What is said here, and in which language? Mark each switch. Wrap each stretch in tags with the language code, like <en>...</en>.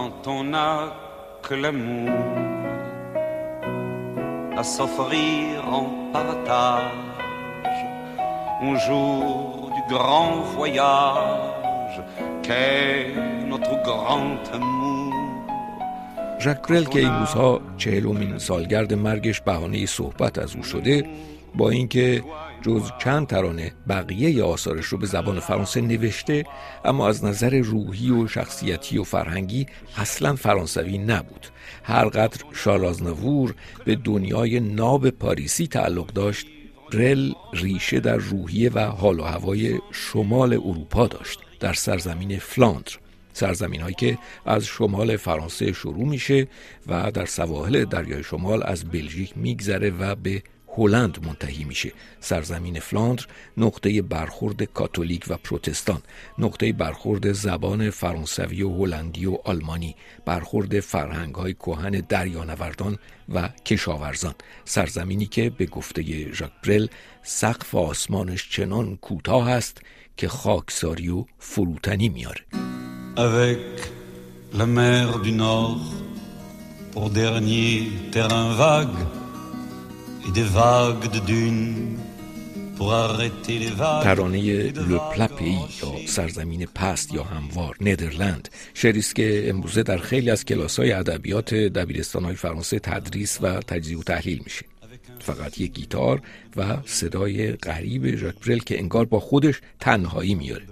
<fr>On a que l'amour à s'offrir en partage, un jour du grand voyage qu'est notre grand amour.</fr> <fa>ژاک برل که این روزها 40مین سالگرد مرگش بهانه صحبت از او شده، با اینکه جز چند ترانه بقیه آثارش رو به زبان فرانسه نوشته، اما از نظر روحی و شخصیتی و فرهنگی اصلا فرانسوی نبود. هرقدر شارل آزنابور به دنیای ناب پاریسی تعلق داشت، برل ریشه در روحیه و حال و هوای شمال اروپا داشت، در سرزمین فلاندر، سرزمین هایی که از شمال فرانسه شروع میشه و در سواحل دریای شمال از بلژیک میگذره و به هلند منتهی میشه. سرزمین فلاندر نقطه برخورد کاتولیک و پروتستان، نقطه برخورد زبان فرانسوی و هلندی و آلمانی، برخورد فرهنگ های کهن دریانوردان و کشاورزان، سرزمینی که به گفته ژاک برل سقف آسمانش چنان کوتاه است که خاکساری و فروتنی میاره.</fa> <fr>Avec la mer du Nord pour dernier terrain vague et des vagues de dune pour arrêter les vagues.</fr> <fa>ترانه Le Plat Pays یا سرزمین پست یا هموار، نیدرلند، شعری است که امروزه در خیلی از کلاس‌های ادبیات دبیرستان‌های فرانسه تدریس و تجزیه و تحلیل میشه. فقط یک گیتار و صدای غریب ژاک برل که انگار با خودش تنهایی میاره.</fa>